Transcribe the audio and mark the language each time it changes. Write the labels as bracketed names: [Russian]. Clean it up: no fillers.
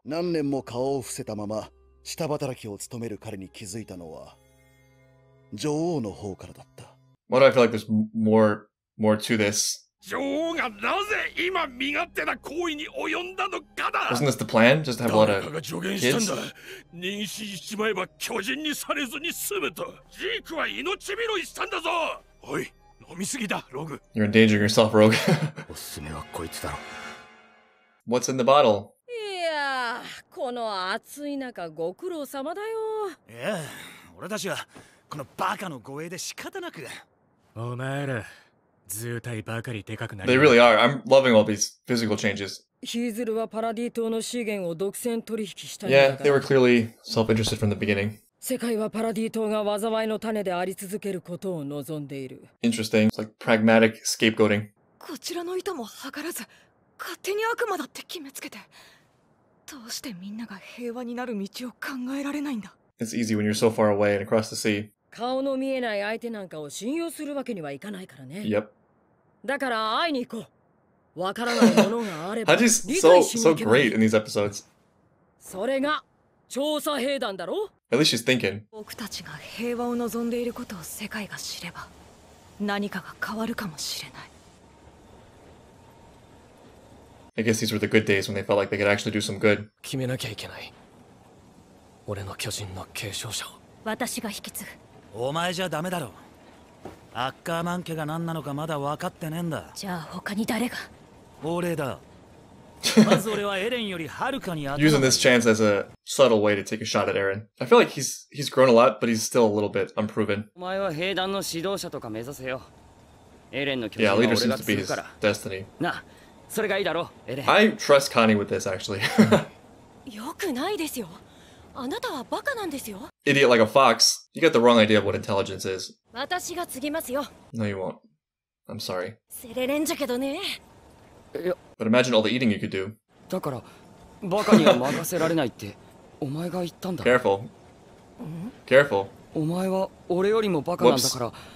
[Japanese] 何年も顔を伏せたまま下働きを務める彼に気づいたのは女王の方からだった。 [English] What do I feel like there's more to this? [Japanese] 女王がなぜ今身勝手な行為に及んだのかだ。 [English] Wasn't this the plan? Just have a lot of kids? [Japanese] 誰かが助言したんだ。妊娠しちまえば巨人にされずに済むと。ジークは命拾いしたんだぞ。おい、飲みすぎだ、ローグ。 [English] You're endangering yourself, Rogue. [Japanese] おすすめはこいつだろ。 [English] What's in the bottle? [Japanese] この暑い中ご苦労様だよ。いや、俺たちはこのバカの護衛で仕方なく。お前ら、図体ばかりでかくな [English] る。They really are. I'm loving all these physical changes. [Japanese] ヒーズルはパラディ島の資源を独占取引した。 [English] Yeah, they were clearly self-interested from the beginning. [Japanese] 世界はパラディ島が災いの種であり続けることを望んでいる。 [English] Interesting. It's like pragmatic scapegoating. [Japanese] こちらの意図も測らず、勝手に悪魔だって決めつけて。どうしてみんなが平和になる道を考えられないんだ。 [English] It's easy when you're so far away and across the sea. [Japanese] 顔の見えない相手なんかを信用するわけにはいかないからね。 [English] Yep. [Japanese] だから会いに行こう。わからないものがあれば。 [English] Haji's so great in these episodes. [Japanese] それが調査兵団だろ。 [English] At least she's thinking. [Japanese] 僕たちが平和を望んでいることを世界が知れば、何かが変わるかもしれない。 [English] I guess these were the good days when they felt like they could actually do some good. [Japanese] 決めなきゃいけない。俺の巨人の継承者を。私が引き継ぐ。お前じゃダメだろ。アッカーマン家が何なのかまだ分かってねえんだ。じゃあ他に誰が？俺だ。まず俺はエレンよりはるかに [English] 後。Using this chance as a subtle way to take a shot at Eren. I feel like he's grown a lot, but he's still a little bit unproven. [Japanese] お前は兵団の指導者とか目指せよ。エレンの巨人は俺が継ぐから。 [English] Yeah, leader seems to be his destiny. [Japanese] な。それがいいだろう、エレン。 [English] I trust Connie with this, actually. [Japanese] よくないですよ。あなたはバカなんですよ。 [English] Idiot like a fox. You got the wrong idea of what intelligence is. [Japanese] 私が継ぎますよ。 [English] No, you won't. I'm sorry. [Japanese] セレレンじゃけどね。いや。 [English] But imagine all the eating you could do. [Japanese] だから、バカには任せられないって、お前が言ったんだ。 [English] Careful. Careful. [Japanese] お前は俺よりもバカなんだから。